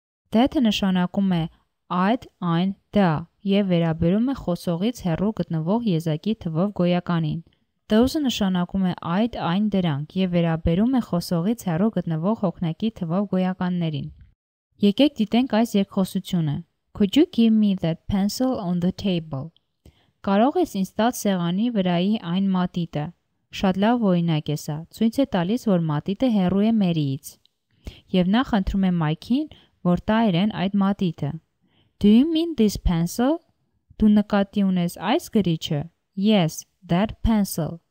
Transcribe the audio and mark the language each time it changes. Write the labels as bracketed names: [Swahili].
[Armenian] That-ը նշանակում է այդ, այն, դա, և վերաբերում է խոսողից հեռու գտնվող եզակի թվով գոյականին։ Those-ը նշանակում է այդ, այն, դրանք, և վերաբերում է խոսողից հեռու գտնվող հոգնակի թվով գոյականներին։ Եկեք դիտենք այս երկխոսությունը. [English] Could you give me that pencil on the table? [Armenian] Կարող ես ինձ տալ սեղանի վրայի այն մատիտը։ Շատ լավ օրինակ է սա, ցույց է տալիս, որ մատիտը հեռու է մերից։ Եվ նա խնդրում է Մայքին, որ տա իրեն այդ մատիտը։ [English] Do you mean this pencil? [Armenian] Դու նկատի ունես այս գրիչը? [English] Yes, that pencil.